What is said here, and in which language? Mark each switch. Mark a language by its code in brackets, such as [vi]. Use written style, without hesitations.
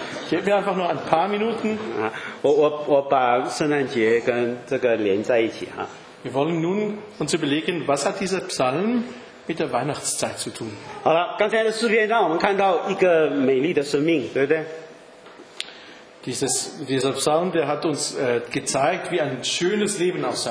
[de] Gib mir einfach nur ein paar Minuten. [zh] 我把圣诞节跟这个连在一起, [de] Wir wollen nun uns überlegen, was hat dieser Psalm mit der Weihnachtszeit zu tun? [zh] 好了，刚才的诗篇让我们看到一个美丽的生命，对不对？ [de] Dieser Psalm, der hat uns gezeigt, wie ein schönes Leben